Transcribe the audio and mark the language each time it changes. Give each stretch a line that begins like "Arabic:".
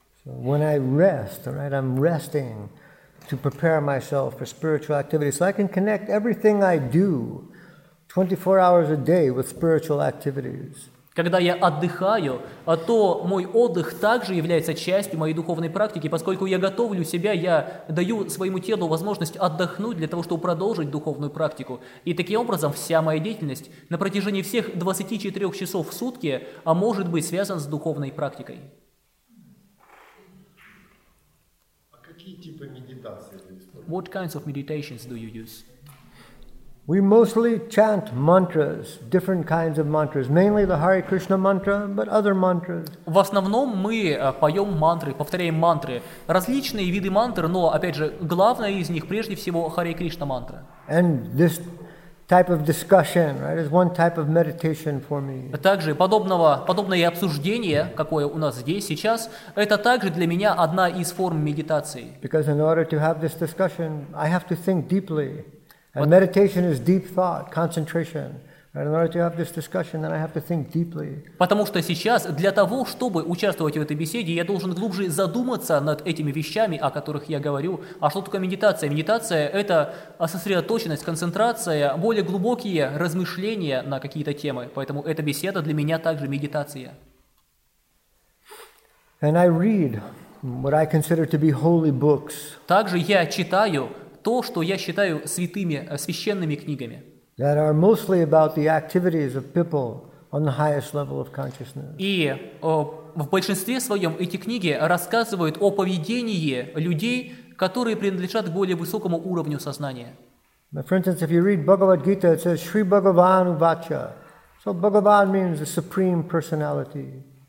English: When I rest, right, I'm resting to prepare myself for spiritual activity, so I can connect everything I do 24 hours a day with spiritual activities.
Russian: Когда я отдыхаю, то мой отдых также является частью моей духовной практики, поскольку я готовлю себя, я даю своему телу возможность отдохнуть для того, чтобы продолжить духовную практику. И таким образом вся моя деятельность на протяжении всех 24 часов в сутки может быть связана с духовной практикой. А какие типы медитации вы используете?
English: What kinds of meditations do you use? We mostly chant mantras, different kinds of mantras, mainly the Hare Krishna mantra, but other mantras.
Russian: В основном мы поем мантры, повторяем мантры. Различные виды мантр, но, опять же, главная из них, прежде всего, Hare Krishna mantra.
English: And this type of discussion, right, is one type of meditation for me.
Russian: Также подобное обсуждение, какое у нас здесь сейчас, это также для меня одна из форм медитации.
English: Because in order to have this discussion, I have to think deeply. And meditation is deep thought, concentration. In order to have this discussion, then I have to think deeply.
Russian: Потому что сейчас для того, чтобы участвовать в этой беседе, я должен глубже задуматься над этими вещами, о которых я говорю. А что такое медитация? Медитация – это сосредоточенность, концентрация, более глубокие размышления на какие-то темы. Поэтому эта беседа для меня также медитация.
English: And I read what I consider to be holy books.
Russian: Также я читаю то, что я считаю святыми, священными книгами.
English: That are mostly about the activities of people on the highest level of consciousness.
Russian: И в большинстве своем эти книги рассказывают о поведении людей, которые принадлежат к более высокому уровню сознания.
English: For instance, if you read Bhagavad Gita, it says
Sanskrit: Shri Bhagavan Uvacha.
English: So Bhagavan means the supreme personality.